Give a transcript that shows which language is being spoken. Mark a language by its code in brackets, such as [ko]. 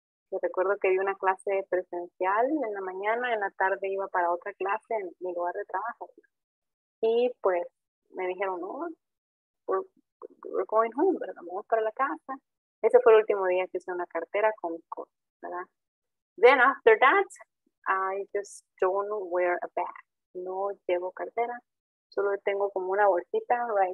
[es] Yo recuerdo que di una clase presencial en la mañana, en la tarde iba para otra clase en mi lugar de trabajo. Y pues me dijeron, no, [en] we're going home, [es] ¿verdad? Vamos para la casa. Ese fue el último día que hice una cartera con mi cosa, ¿verdad? [en] Then after that, I just don't wear a bag. [es] No llevo cartera, solo tengo como una bolsita, right?